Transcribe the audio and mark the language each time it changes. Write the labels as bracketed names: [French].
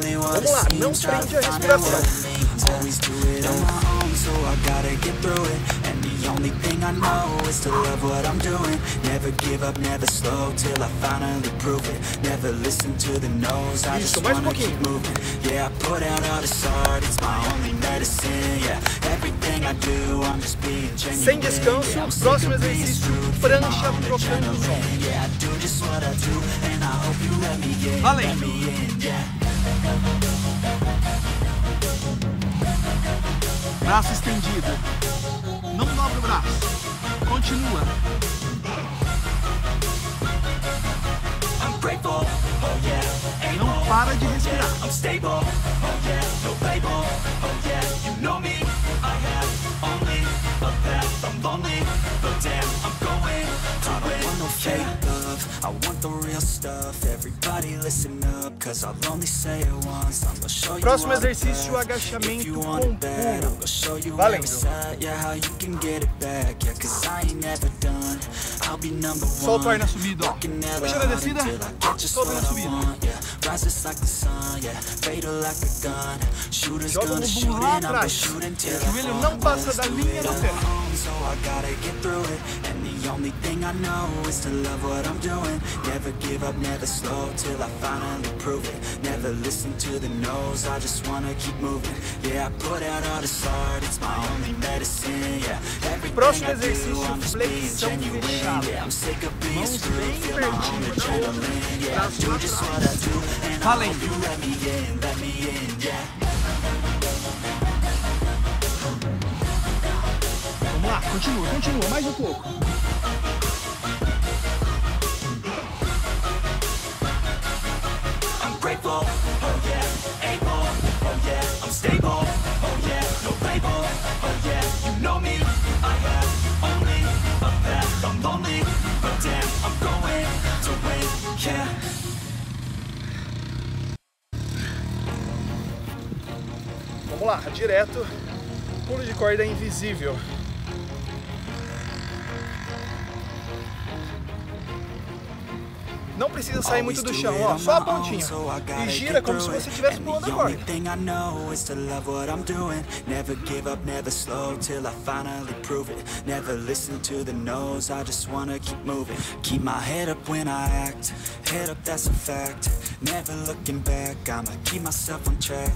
[Portuguese] Vamos lá, não prende a respiração. [English] Only thing I know is to love what I'm doing. Never give up, never slow, till I finally prove it. Never listen to the no's, I just wanna keep moving. Yeah, I put out all this art, it's my only medicine. Yeah, everything I do, I'm just being genuine. [Portuguese] Sem descanso, próximo exercício, prancha trocando o som. [English] Yeah, I do just what I do, and I hope you let me in. [Portuguese] Valeu. [English] Let me in, yeah. [Portuguese] Braço estendido. Não dobra o braço. Continua. [English] I'm grateful, oh yeah. [Portuguese] Não para de respirar. [English] I'm stable, oh yeah. No label, oh yeah. You know me, I have only a path. I'm lonely, but damn, I'm going to win. I don't want no fake love. I want the real stuff. Everybody listen up, cause I'll only say it once. I'm gonna show you. [Portuguese] Próximo exercício, agachamento com pulo. Valendo. [English] Yeah, how you can get it back. Yeah, cause I ain't never done. I'll be number one. [Portuguese] Solta o ar na subida. Puxa na descida. Solta na subida. Joga o bumbum lá atrás. O joelho não passa da linha do teto. [English] So I gotta get through it. And the only thing I know is to love what I'm doing. Never give up, never slow, till I finally prove it. Never listen to the no's, I just wanna keep moving. Yeah, I put out all this art, it's my only medicine. Yeah, everything I do, I'm just being genuine. Yeah, I'm sick of being screwed, feel my own adrenaline. Yeah, I do just what I do, and I hope you let me in, yeah. [Portuguese] Continua, continua, mais um pouco. [English] I'm grateful, oh yeah, able, oh yeah, I'm stable, oh yeah, no label, oh yeah, you know me, I have only a path, I'm lonely, but damn, I'm going to win, yeah. [Portuguese] Vamos lá, direto, pulo de corda invisível. Não precisa sair muito do chão, ó, só a pontinha. E gira como se você estivesse pulando a corda. [English] The thing I know is to love what I'm doing. Never give up, never slow, till I finally prove it. Never listen to the no's, I just wanna keep moving. Keep my head up when I act. Head up, that's a fact. Never looking back, I'ma keep myself on track.